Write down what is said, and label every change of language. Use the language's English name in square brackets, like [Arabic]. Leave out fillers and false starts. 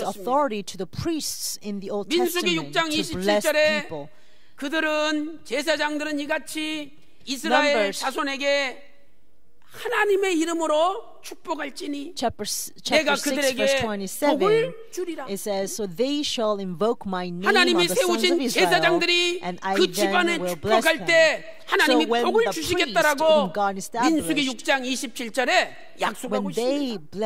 [Korean] 주셨습니다. [English] To the in the Old [Korean] 민수기 6장 27절에 그들은 제사장들은 이같이 이스라엘 [English] Numbers. [Korean] 자손에게 하나님의 이름으로 축복할지니 내가 그들에게 복을 주리라. [English] It says, so they shall invoke my name [Korean] 하나님이 [English] on the [Korean] 세우신 [English] sons of Israel, [Korean] 제사장들이 [English] and I [Korean] 그 집안에 축복할 때 하나님이 복을 주시겠다라고 민수기 6장 27절에 약속하고 있습니다.